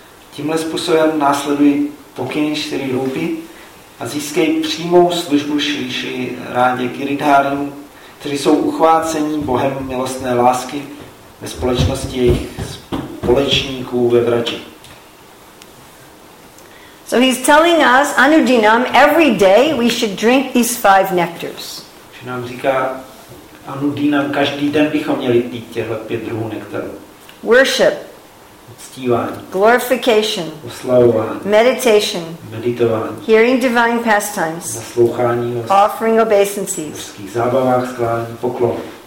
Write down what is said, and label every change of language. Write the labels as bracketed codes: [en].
[cs] Tímhle způsobem následují pokyny čtyři rupy a získej přímou službu Šíši Rádě Giridhárům, kteří jsou uchvácení Bohem milostné lásky ve společnosti jejich společníků ve Vraji. [en] So he's telling us, Anudinam, every day we should drink these five nectars. [cs] Že nám říká, Anudinam, každý den bychom měli pít těchto pět druhů nektarů. [en] Worship. [cs] Uctívání. [en] Glorification. [cs] Oslavování. [en] Meditation. [cs] Meditování. [en] Hearing divine pastimes. [cs] Naslouchání. [en] Offering obeisances. [cs] Božských zábavách, skládání poklonů.